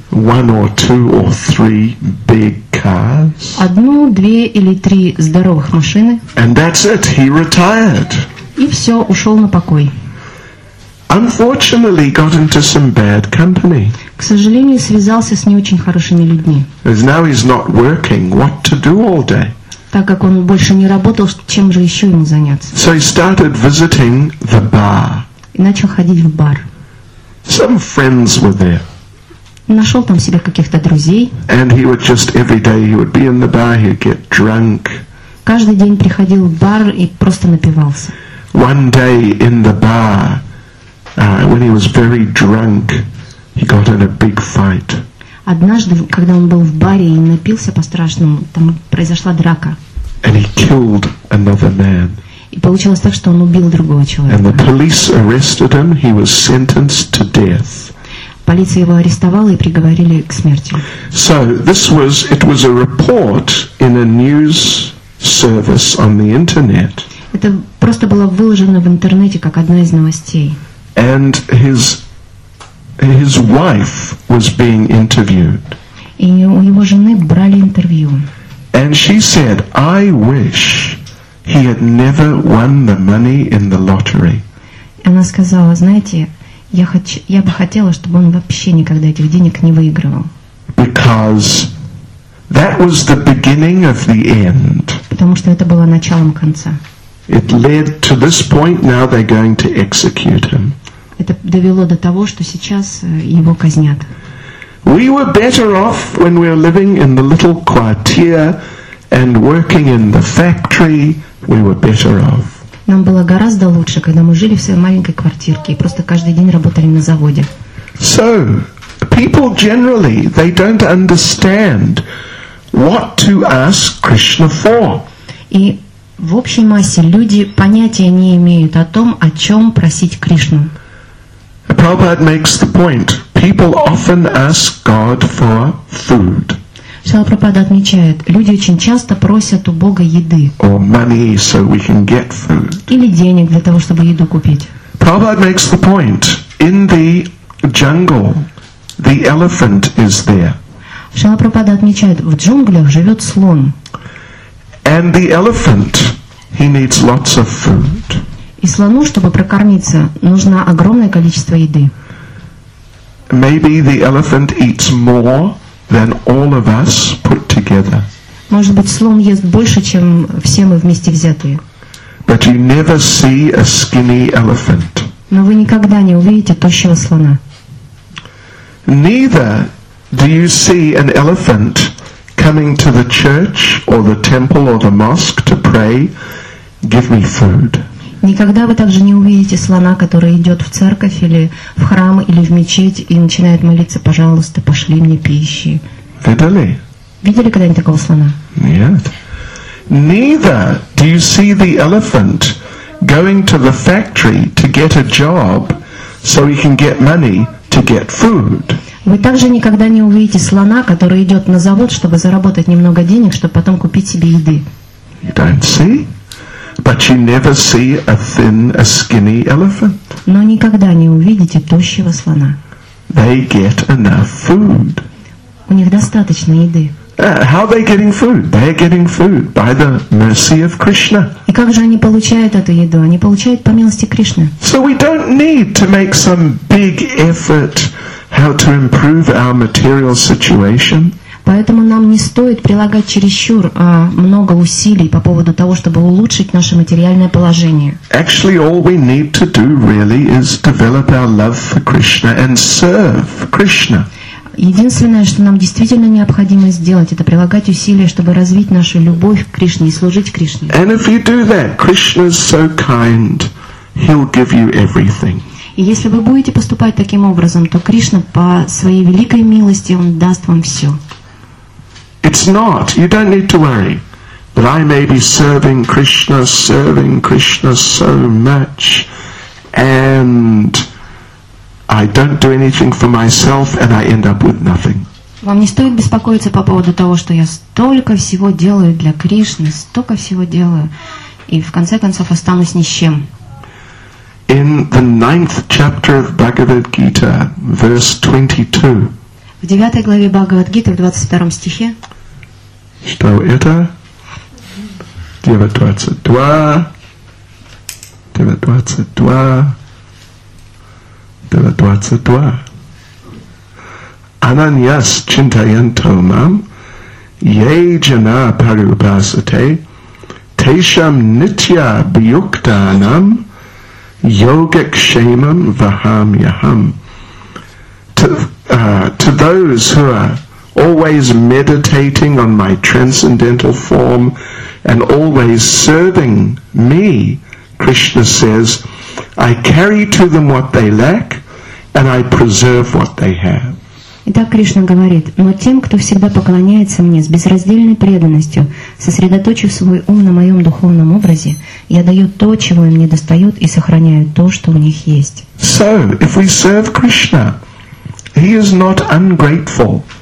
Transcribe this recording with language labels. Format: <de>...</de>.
<en>One or two or three big cars.</en> <ru>Одну, две или три здоровых машины.</ru> <en>And that's it. He retired.</en> <ru>И все, ушел на покой.</ru> <en>Unfortunately, got into some bad company.</en> <ru>К сожалению, связался с не очень хорошими людьми.</ru> <en>As now he's not working, what to do all day?</en> <ru>Так как он больше не работал, чем же еще ему заняться?</ru> <en>So he started visiting the bar.</en> <ru>И начал ходить в бар.</ru> <en>Some friends were there.</en> <ru>Нашел там себе каких-то друзей.</ru> <en>And he would just every day he would be in the bar, he'd get drunk.</en> <ru>Каждый день приходил в бар и просто напивался.</ru> <en>One day in the bar, when he was very drunk, he got in a big fight.</en> <ru>Однажды, когда он был в баре и напился по-страшному, там произошла драка.</ru> <en>And he killed another man.</en> <ru>И получилось так, что он убил другого человека.</ru> <en>And the police arrested him. He was sentenced to death.</en> <ru>Полиция его арестовала и приговорили к смерти.</ru> <en>So this was, it was a report in a news service on the internet.</en> <ru>Это просто было выложено в интернете как одна из новостей.</ru> <en>And his wife was being interviewed.</en> <ru>И у его жены брали интервью.</ru> <en>And she said, "I wish he had never won the money in the lottery."</en> <ru>Она сказала, знаете, я бы хотела, чтобы он вообще никогда этих денег не выигрывал.</ru> <en>Because that was the beginning of the end.</en> <ru>Потому что это было началом конца.</ru> <en>It led to this point. Now they're going to execute him.</en> <ru>Это довело до того, что сейчас его казнят.</ru> <en>We were better off when we were living in the little quartier and working in the factory. We were better off.</en> <ru>Нам было гораздо лучше, когда мы жили в своей маленькой квартирке и просто каждый день работали на заводе.</ru> <en>So, people generally, they don't understand what to ask Krishna for.</en> <ru>И в общей массе люди понятия не имеют о том, о чем просить Кришну.</ru> <en>Prabhupada makes the point. People often ask God for food.</en> <ru>Шрила Прабхупада отмечает, люди очень часто просят у Бога еды.</ru> <en>Or money so we can get food.</en> <ru>Или денег для того, чтобы еду купить.</ru> <en>Prabhupada makes the point. In the jungle, the elephant is there.</en> <ru>Шрила Прабхупада отмечает, в джунглях живет слон.</ru> <en>And the elephant, he needs lots of food.</en> <ru>И слону, чтобы прокормиться, нужно огромное количество еды.</ru> <en>Maybe the elephant eats more than all of us put together.</en> <ru>Может быть, слон ест больше, чем все мы вместе взятые.</ru> <en>But you never see a skinny elephant.</en> <ru>Но вы никогда не увидите тощего слона.</ru> <en>Neither do you see an elephant coming to the church or the temple or the mosque to pray, give me food.</en> <ru>Никогда вы также не увидите слона, который идет в церковь или в храм или в мечеть и начинает молиться, пожалуйста, пошли мне пищи. Видели? Видели когда-нибудь такого слона? Нет.</ru> <en>Neither do you see the elephant going to the factory to get a job, so he can get money to get food.</en> <ru>Вы также никогда не увидите слона, который идет на завод, чтобы заработать немного денег, чтобы потом купить себе еды.</ru> <en>You don't see? But you never see a thin, a skinny elephant.</en> <ru>Но никогда не увидите тощего слона.</ru> <en>They get enough food.</en> <ru>У них достаточно еды.</ru> <en>How are they getting food? They are getting food by the mercy of Krishna.</en> <ru>И как же они получают эту еду? Они получают по милости Кришны.</ru> <en>So we don't need to make some big effort how to improve our material situation.</en> <ru>Поэтому нам не стоит прилагать чересчур много усилий по поводу того, чтобы улучшить наше материальное положение.</ru> <en>Actually, all we need to do really is develop our love for Krishna and serve Krishna.</en> <ru>Единственное, что нам действительно необходимо сделать, это прилагать усилия, чтобы развить нашу любовь к Кришне и служить Кришне.</ru> <en>And if you do that, Krishna is so kind, he'll give you everything.</en> <ru>И если вы будете поступать таким образом, то Кришна по своей великой милости, он даст вам все.</ru> <en>It's not. You don't need to worry. But I may be serving Krishna so much, and I don't do anything for myself, and I end up with nothing.</en> <ru>Вам не стоит беспокоиться по поводу того, что я столько всего делаю для Кришны, столько всего делаю, и в конце концов останусь ни с чем.</ru> <en>In the ninth chapter of Bhagavad Gita, verse 22.</en> <ru>В девятой главе Бхагавад Гиты, в 22 стихе. Что это? 9.22. 9.22. 9.22.</ru> <sa>Ананьяс чинтаянто мам, ей джана парюпасате, тейшам нитья бьюктанам, йогакшемам вахамьяхам.</sa> <en>To those who are always meditating on my transcendental form and always serving me, Krishna says, I carry to them what they lack and I preserve what they have.</en> <ru>Итак, Кришна говорит, но тем, кто всегда поклоняется мне с безраздельной преданностью, сосредоточив свой ум на моем духовном образе, я даю то, чего им не достает, и сохраняю то, что у них есть.</ru> <en>So, if we serve Krishna, He is not ungrateful.</en>